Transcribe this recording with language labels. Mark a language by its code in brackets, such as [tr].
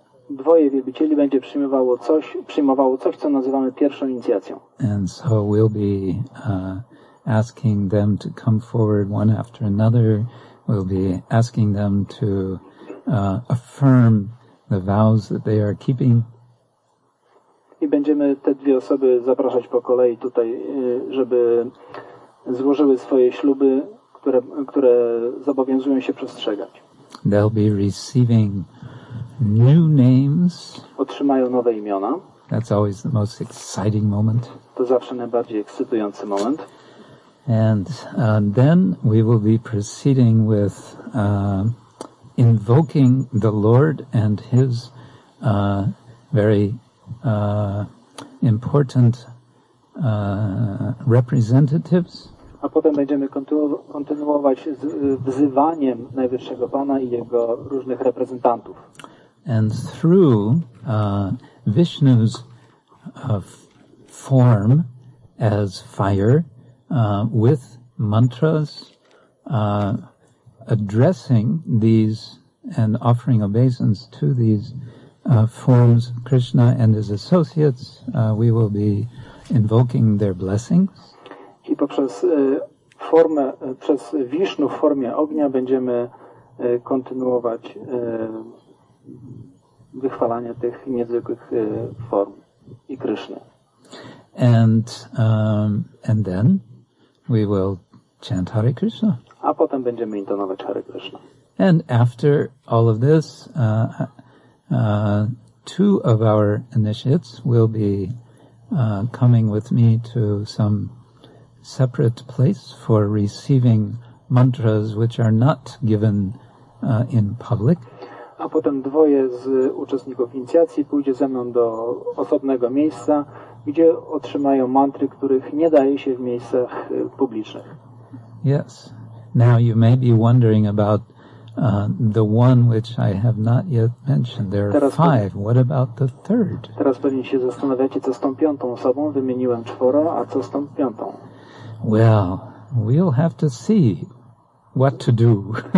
[pl] Dwoje wielbicieli będzie przyjmowało coś, co nazywamy pierwszą inicjacją. [en] And so we'll be asking them to come forward one after another. We'll be asking them to affirm the vows that they are keeping. [pl] I będziemy te dwie osoby zapraszać po kolei tutaj, żeby złożyły swoje śluby, które zobowiązują się przestrzegać. [en] They'll be receiving new names. [pl] Otrzymają nowe imiona. [en] That's always the most exciting moment. [pl] To zawsze najbardziej ekscytujący moment. [en] And then we will be proceeding with invoking the Lord and his very important representatives. [pl] A potem będziemy kontynuować z wzywaniem Najwyższego Pana i jego różnych reprezentantów. [en] And through Vishnu's form as fire with mantras addressing these and offering obeisance to these forms Krishna and his associates, we will be invoking their blessings. [pl] I poprzez formę, przez Wisznu w formie ognia będziemy kontynuować wychwalanie tych niezwykłych form i Kryszny. [en] And then we will chant Hare Krishna. [pl] A potem będziemy intonować Hare Krishna. [en] And after all of this, two of our initiates will be coming with me to some separate place for receiving mantras which are not given in public. [pl] A potem dwoje z uczestników inicjacji pójdzie ze mną do osobnego miejsca, gdzie otrzymają mantry, których nie daje się w miejscach publicznych. [en] Yes. Now you may be wondering about the one which I have not yet mentioned. There are five. What about the third? [pl] Teraz pewnie się zastanawiacie, co z tą piątą osobą. Wymieniłem czworo, a co z tą piątą? [en] Well, we'll have to see what to do.